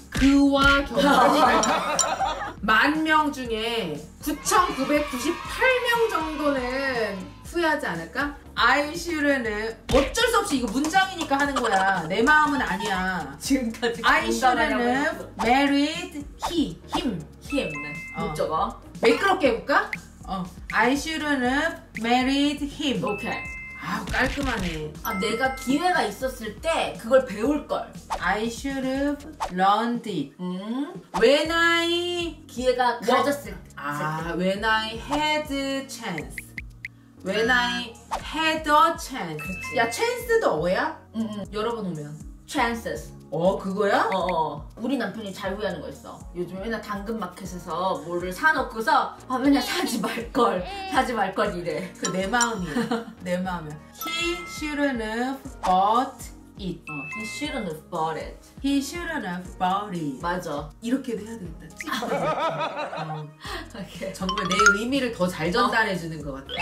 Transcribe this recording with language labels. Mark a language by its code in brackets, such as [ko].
[ko] 그와 결혼을 만 명 중에 9,998명 정도는 후회하지 않을까? [en] I shouldn't. [ko] 어쩔 수 없이 이거 문장이니까 하는 거야. 내 마음은 아니야. 지금까지 [en] I shouldn't married he, him, him. [ko] 못 적어. 매끄럽게 해볼까? [en] I shouldn't married him. Okay. [ko] 아우 깔끔하네. 아 내가 기회가 있었을 때 그걸 배울걸. [en] I should have learned it. [ko] 응? [en] When I [ko] 기회가 가졌을 때. [en] 아 when I had a chance. When I had a chance. [ko] 그치. 야 chance도 어야? 응응. 여러 번 오면. [en] Chances. [ko] 어 그거야? 어어. 우리 남편이 잘 후회하는 거 있어. 요즘 맨날 당근 마켓에서 뭐를 사놓고서 아 맨날 사지 말걸 사지 말걸 이래. 그 내 마음이야. 내 마음이야. [en] He shouldn't have bought it. He shouldn't have bought it. He shouldn't have bought it. [ko] 맞아. 이렇게도 해야 되겠다. 오케이. 정말 내 의미를 더 잘 전달해 주는 것 같아.